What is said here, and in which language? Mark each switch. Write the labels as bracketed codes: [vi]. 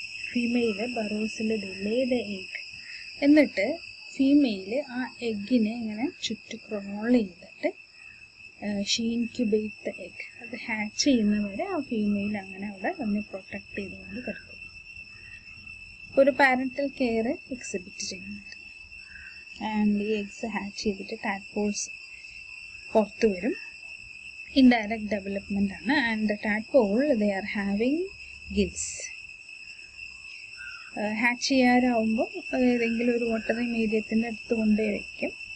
[ml] Female ബറോസിൽ delayed egg, എന്നിട്ട് female ആ എഗ്ഗിനെ ഇങ്ങനെ ചുറ്റി ക്രോൾ ചെയ്തിട്ട് ഷീൻക്യുബേറ്റ് ദ എഗ്, അത് ഹാച്ച് ചെയ്യുന്നവരെ ആ ഫീമെയിൽ അങ്ങനെ അവിടെ വന്ന് പ്രൊട്ടക്ട് ചെയ്തുകൊണ്ട് കിടക്കും. ഒരു പാരൻ്റൽ കെയർ എക്സിബിറ്റ് ചെയ്യുന്നുണ്ട്. ആൻഡ് ഈ എഗ്സ് ഹാച്ച് ചെയ്തിട്ട് ടാഡ്പോൾസ് പുറത്തു വരും. [en] indirect development ആണ് and the tadpole they are having gills. [ml] Hatch ചെയ്യാറാവുമ്പോൾ ഏതെങ്കിലും ഒരു വാട്ടറി മീഡിയത്തിൻ്റെ അടുത്ത് കൊണ്ടുപോയി വയ്ക്കും.